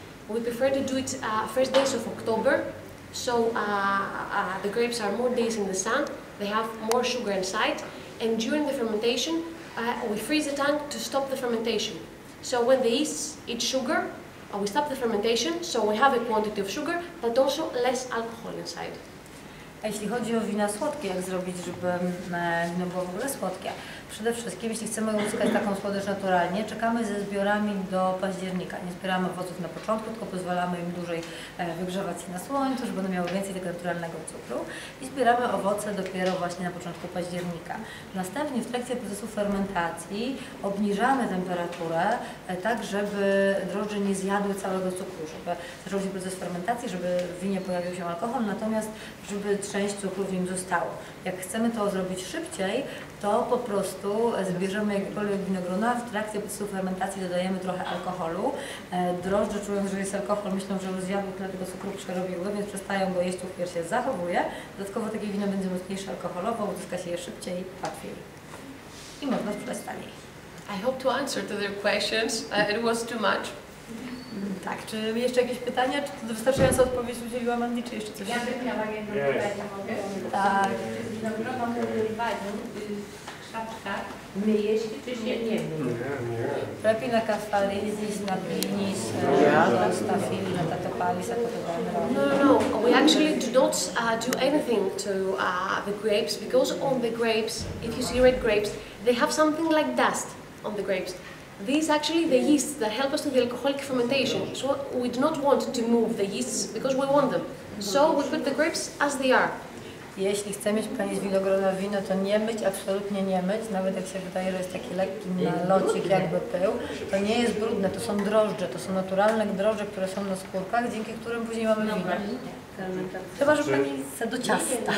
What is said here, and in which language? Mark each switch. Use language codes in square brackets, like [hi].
[en] We prefer to do it first days of October, so the grapes are more days in the sun, they have more sugar inside, and during the fermentation, we freeze the tank to stop the fermentation. So when the yeasts eat sugar, we stop the fermentation, so we have a quantity of sugar, but also less alcohol inside. [pl] Jeśli chodzi o wina słodkie, jak zrobić, żeby wino było w ogóle słodkie? Przede wszystkim, jeśli chcemy uzyskać taką słodycz naturalnie, czekamy ze zbiorami do października. Nie zbieramy owoców na początku, tylko pozwalamy im dłużej wygrzewać się na słońcu, żeby one miały więcej tego naturalnego cukru. I zbieramy owoce dopiero właśnie na początku października. Następnie w trakcie procesu fermentacji obniżamy temperaturę tak, żeby drożdże nie zjadły całego cukru, żeby zaczął się proces fermentacji, żeby w winie pojawił się alkohol, natomiast żeby część cukru w nim zostało. Jak chcemy to zrobić szybciej, to po prostu zbierzemy jakiekolwiek winogrona, w trakcie procesu fermentacji dodajemy trochę alkoholu. Drożdże czują, że jest alkohol, myślą, że już zjadły tyle tego cukru, przerobiły, więc przestają go jeść, cukier się zachowuje. Dodatkowo takie wino będzie mocniejsze alkoholowo, uzyska się je szybciej, łatwiej i można sprzedać taniej. [en] I hope to answer to their questions. It was too much. [pl] Tak, czy jeszcze jakieś pytania? Czy to wystarczająca odpowiedź udzieliła Mandy, czy jeszcze coś? Ja bym miała jedno pytanie, mogę? Tak. Czy z winogroną wyrywaną szapka myje się, czy się nie myje? Nie. Lepiej na kastalizis, na pinis, na stafili, na tatopalis, a to [en] no, no, no, we actually do not do anything to the grapes, because on the grapes, if you see red grapes, they have something like dust on the grapes. These actually the yeasts that help us to the alcoholic fermentation. So we do not want to move the yeasts because we want them. So we put the grapes as they are. [pl] Jeśli chce mieć pani z winogrona wino, to nie myć, absolutnie nie myć, nawet jak się wydaje, że jest taki lekki nalocik, jakby pył, to nie jest brudne, to są drożdże, to są naturalne drożdże, które są na skórkach, dzięki którym później mamy wino. No, chyba, że pani chce do ciasta.